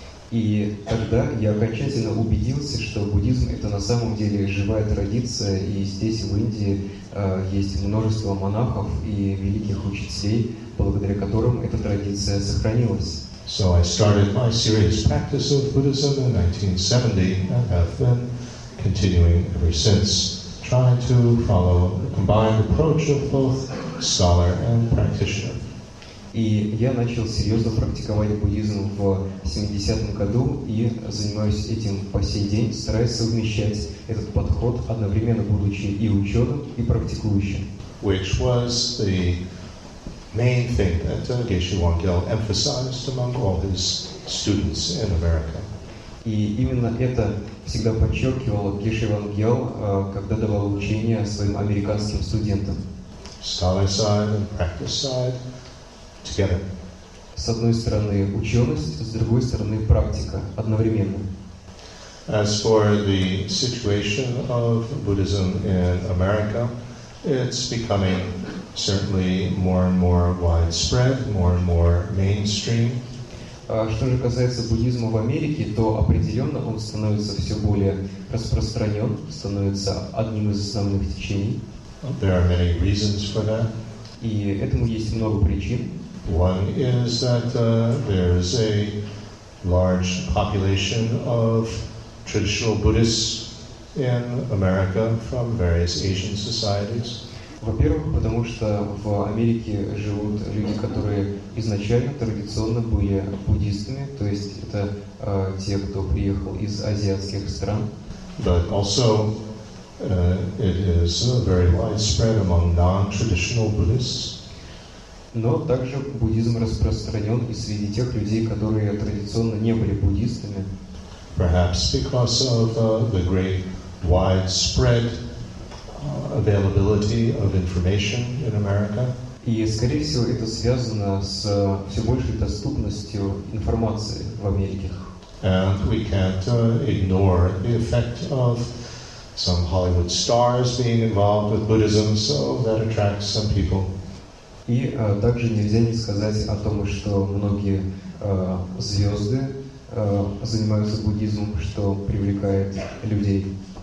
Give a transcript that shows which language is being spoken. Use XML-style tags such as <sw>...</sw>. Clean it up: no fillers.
<ru>И тогда я окончательно убедился, что буддизм — это на самом деле живая традиция, и здесь, в Индии, есть множество монахов и великих учителей, благодаря которым эта традиция сохранилась.</ru> <en>So I started my serious practice of Buddhism in 1970 and have been continuing ever since, trying to follow a combined approach of both scholar and practitioner.</en> <ru>И я начал серьезно практиковать буддизм в 70-м году и занимаюсь этим по сей день, стараясь совмещать этот подход, одновременно будучи и ученым, и практикующим.</ru> <en>Which was the main thing that Geshe Wangyal emphasized among all his students in America.</en> <ru>И именно это всегда подчеркивал Геши Вангел, когда давал учения своим американским студентам.</ru> <en>Study side and practice side together.</en> <ru>С одной стороны ученость, с другой стороны практика одновременно.</ru> <en>As for the situation of Buddhism in America, it's becoming certainly more and more widespread, more and more mainstream.</en> <ru>Что же касается буддизма в Америке, то определенно он становится все более распространен, становится одним из основных течений.</ru> <en>There are many reasons for that.</en> <ru>И этому есть много причин.</ru> <en>One is that there is a large population of traditional Buddhists in America from various Asian societies.</en> <ru>Во-первых, потому что в Америке живут люди, которые изначально традиционно были буддистами, то есть это те, кто приехал из азиатских стран.</ru> <en>But also it is very widespread among non-traditional Buddhists.</en> <ru>Но также буддизм распространен и среди тех людей, которые традиционно не были буддистами.</ru> <en>Perhaps because of the great widespread availability of information in America.</en> <ru>И, скорее всего, это связано с все большей доступностью информации в Америке.</ru> <en>And we can't ignore the effect of some Hollywood stars being involved with Buddhism, so that attracts some people.</en> <ru>И также нельзя не сказать о том, что многие звезды занимаются буддизмом, что привлекает людей.</ru>